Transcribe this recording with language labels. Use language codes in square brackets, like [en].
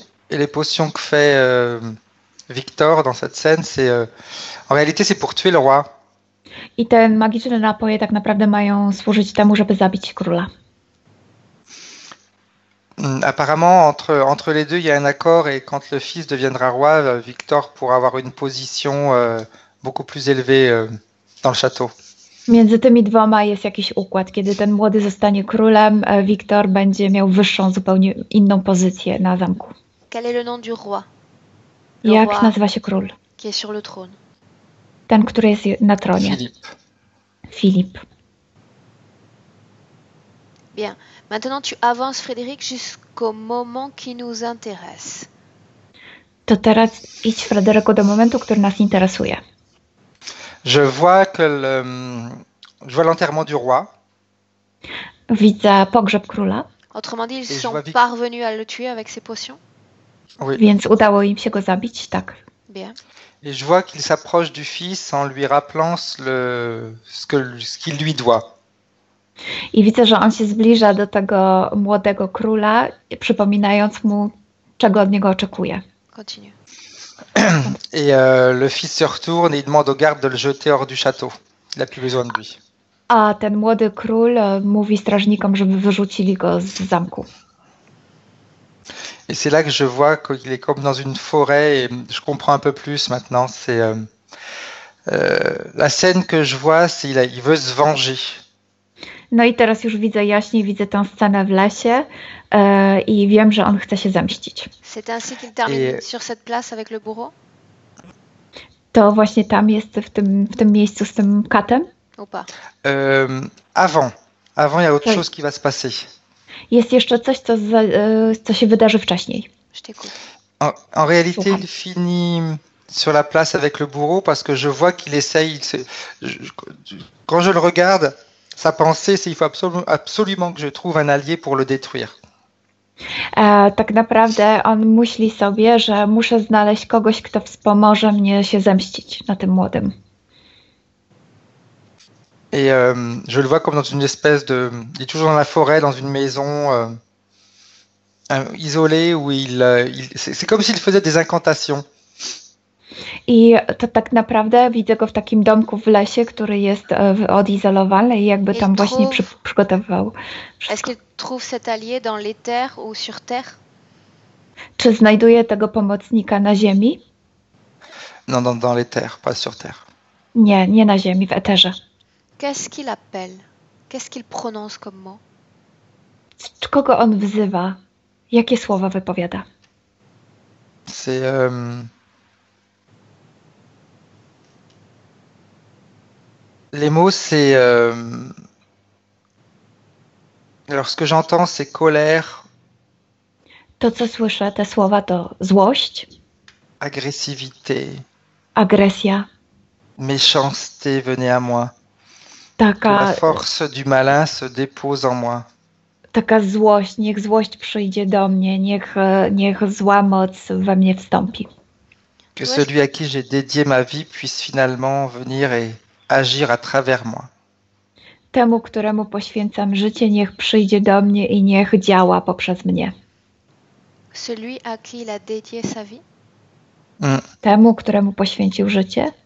[fr] Et les potions que fait Victor dans cette scène, c'est en réalité, c'est pour tuer le roi. [pl] I te magiczne napoje tak naprawdę mają służyć temu, żeby zabić króla. [fr] Apparemment, entre les deux, il y a un accord et quand le fils deviendra roi, Victor pourra avoir une position beaucoup plus élevée dans le château. [pl] Między tymi dwoma jest jakiś układ. Kiedy ten młody zostanie królem, Victor będzie miał wyższą, zupełnie inną pozycję na zamku. [fr] Quel est le nom du roi? [pl] Jak nazywa się król? [fr] Qui est sur le trône. [pl] Ten, który jest na tronie. Filip. [fr] Bien. Maintenant tu avances, Frédéric, jusqu'au moment qui nous intéresse. [pl] To teraz idź, Frédéric, do momentu, który nas interesuje. [fr] Je vois que je vois l'enterrement du roi. [pl] Widzę pogrzeb króla. [fr] Autrement dit, ils sont parvenus à le tuer avec ses potions. Oui. [pl] Więc udało im się go zabić, tak. [fr] Bien. Et je vois qu'il s'approche du fils en lui rappelant ce qu'il lui doit. [pl] I widzę, że on się zbliża do tego młodego króla, przypominając mu, czego od niego oczekuje. [fr] Continue. Et le fils se retourne et il demande au garde de le jeter hors du château. Il n'a plus besoin de lui. [pl] A ten młody król mówi strażnikom, żeby wyrzucili go z zamku. [fr] Et c'est là que je vois qu'il est comme dans une forêt et je comprends un peu plus maintenant. C'est la scène que je vois, c'est il veut se venger. [pl] No i teraz już widzę jaśniej, widzę tę scenę w lesie i wiem, że on chce się zemścić. [fr] C'est ainsi qu'il termine sur cette place avec le bourreau? [pl] To właśnie tam jest, w tym miejscu z tym katem? [fr] Ou pas? Avant, il y a autre chose qui va se passer. [pl] Jest jeszcze coś, co się wydarzy wcześniej. [fr] Je t'écoute. En réalité, il finit sur la place avec le bourreau parce que je vois qu'il essaye. Quand je le regarde, sa pensée, c'est qu'il faut absolument que je trouve un allié pour le détruire. [pl] Tak naprawdę, on myśli sobie, że muszę znaleźć kogoś, kto wspomoże mnie się zemścić na tym młodym. [fr] Et je le vois comme dans une espèce de. Il est toujours dans la forêt, dans une maison. Isolé où il c'est comme s'il faisait des incantations. [pl] I to tak naprawdę widzę go w takim domku w lesie, który jest odizolowany i jakby tam właśnie przygotowywał. [fr] Est-ce qu'il trouve cet allié dans l'éther ou sur terre? [pl] Czy znajduje tego pomocnika na ziemi? [fr] Non, dans l'éther, pas sur terre. [pl] Nie na ziemi, w eterze. [fr] Qu'est-ce qu'il appelle? Qu'est-ce qu'il prononce comme mot? [pl] Kogo on wzywa? Jakie słowa wypowiada? [fr] C'est les mots c'est alors ce que j'entends c'est colère. [pl] To co słyszę, te słowa to złość, [fr] agressivité. [pl] Agresja. [fr] Méchanceté, venez à moi. [pl] Taka [fr] la force du malin se dépose en moi. [pl] Taka złość, niech złość przyjdzie do mnie, niech zła moc we mnie wstąpi. [fr] Que celui à qui j'ai dédié ma vie puisse finalement venir et agir à travers moi. [pl] Temu, któremu poświęcam życie, niech przyjdzie do mnie i niech działa poprzez mnie. [fr] Celui à qui il a dédié sa vie? [pl] Temu, któremu poświęcił życie?